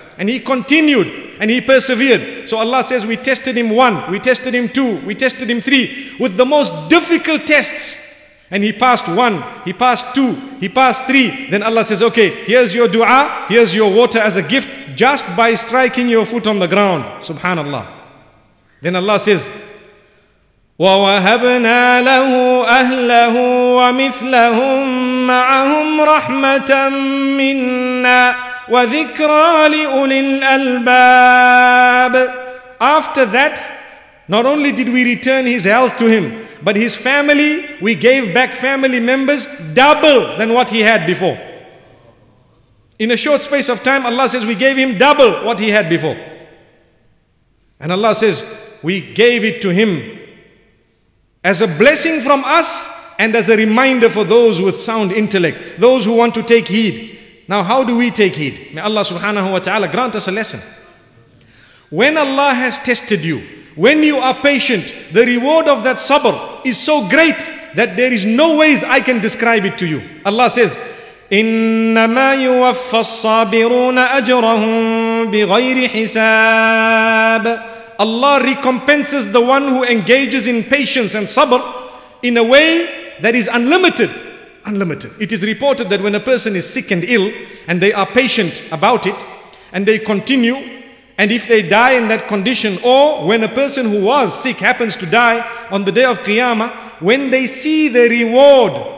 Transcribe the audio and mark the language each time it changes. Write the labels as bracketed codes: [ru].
[en] And he continued and he persevered. So Allah says, we tested him one, we tested him two, we tested him three with the most difficult tests. And he passed one, he passed two, he passed three. Then Allah says, okay, here's your dua, here's your water as a gift, just by striking your foot on the ground. Subhanallah. [ar] Then Allah says, وَوَهَبْنَا لَهُ أَهْلَهُ وَمِثْلَهُمْ مَعَهُمْ رَحْمَةً مِنَّا وَذِكْرَى لِأُولِي الْأَلْبَابِ. [en] After that, not only did we return his health to him, but his family, we gave back family members double than what he had before. In a short space of time, Allah says, we gave him double what he had before. And Allah says, we gave it to him as a blessing from us and as a reminder for those with sound intellect, those who want to take heed. Now, how do we take heed? May Allah subhanahu wa ta'ala grant us a lesson. When Allah has tested you, when you are patient, the reward of that sabr is so great that there is no ways I can describe it to you. [ar] Allah says, إِنَّمَا يُوَفَّى الصَّابِرُونَ أَجْرَهُمْ بِغَيْرِ حِسَابٍ. [en] Allah recompenses the one who engages in patience and sabr in a way that is unlimited. Unlimited. It is reported that when a person is sick and ill and they are patient about it and they continue, and if they die in that condition, or when a person who was sick happens to die on the day of Qiyamah, when they see the reward,